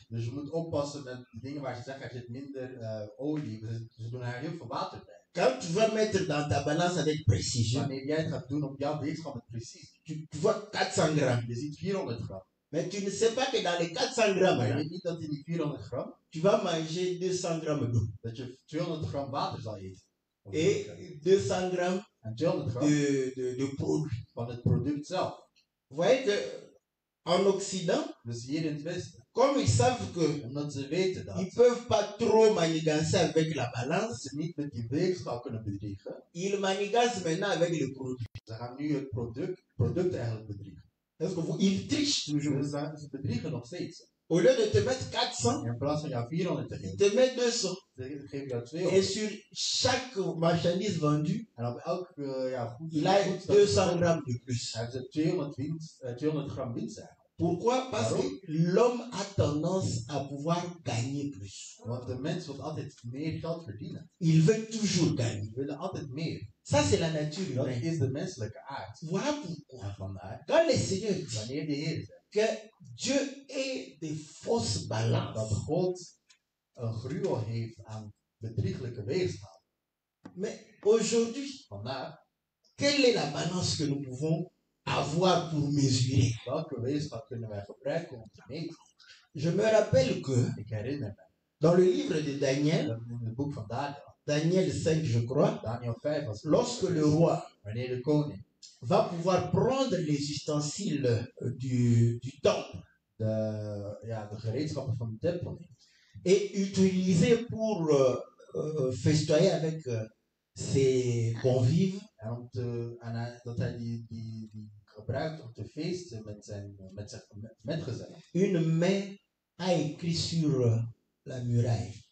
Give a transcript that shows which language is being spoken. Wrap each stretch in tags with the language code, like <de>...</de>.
<nl>Dus je moet oppassen met de dingen waar ze zeggen, er zit minder olie. Ze doen daar heel veel water bij.</nl> <fr>Quand tu vas mettre dans ta balance avec précision,</fr> <nl>wanneer jij het gaat doen op jouw weegschaal met precisie,</nl> <fr>tu vois 400 grammes.</fr> <nl>Je ziet 400 gram.</nl> <fr>Mais tu ne sais pas que dans les 400 grammes,</fr> <nl>je weet niet dat in die 400 gram,</nl> <fr>tu vas manger 200 grammes d'eau.</fr> <nl>Dat je 200 gram water zal eten.</nl> <fr>Et 200 grammes</fr> <nl>en 200 gram</nl> <fr>de produit.</fr> <nl>Van het product zelf.</nl> <fr>Voyez que en Occident,</fr> <nl>dus hier in het Westen,</nl> <fr>comme ils savent que,</fr> <nl>omdat ze weten dat,</nl> <fr>ils peuvent pas trop manigancer avec la balance,</fr> <nl>niet met die weegschaal kunnen bedriegen,</nl> <fr>ils manigancent maintenant avec le produit.</fr> <nl>Ze gaan nu het product eigenlijk bedriegen.</nl> <fr>Est-ce que vous, ils trichent toujours.</fr> <nl>Ze bedriegen nog steeds.</nl> <fr>Au lieu de te mettre 400,</fr> <nl>in plaats van jou 400 te geven,</nl> <fr>te mettre 200,</fr> <nl>ze geven jou</nl> <fr>200. Et sur chaque marchandise vendue,</fr> <nl>en op elk goed,</nl> <fr>il a 200 grammes de plus.</fr> <nl>Hij heeft 200 gram winst eigenlijk.</nl> <fr>Pourquoi? Parce que l'homme a tendance à pouvoir gagner plus.</fr> <nl>Want de mens wil altijd meer geld verdienen.</nl> <fr>Il veut toujours gagner. Il veut</fr> <nl>altijd meer.</nl> <fr>Ça c'est la nature.</fr> <nl>Dat is de menselijke aard.</nl> <fr>Voilà pourquoi.</fr> <nl>Vandaar.</nl> <fr>Quand le Seigneur dit,</fr> <nl>wanneer de Heer zegt,</nl> <fr>que Dieu ait des fausses balances.</fr> <nl>Dat God een gruwel heeft aan bedriegelijke weegschaal.</nl> <fr>Mais aujourd'hui,</fr> <nl>vandaar,</nl> <fr>quelle est la balance que nous pouvons avoir pour mesurer.</fr> <nl>Welke weegschaal kunnen wij gebruiken om te meten?</nl> <fr>Je me rappelle que,</fr> <nl>ik herinner me,</nl> <fr>dans le livre de Daniel,</fr> <nl>in het boek van Daniel,</nl> <fr>Daniel 5, je crois,</fr> <nl>Daniel 5, als</nl> <fr>lorsque le roi,</fr> <nl>wanneer de koning,</nl> <fr>va pouvoir prendre les ustensiles du temple,</fr> <nl>de gereedschappen van de tempel,</nl> <fr>et utiliser pour festoyer avec ses convives.</fr> <nl>En om te, en hij, dat hij die gebruikt om te feesten met gezellig.</nl> <fr>Une main a écrit sur la muraille.</fr>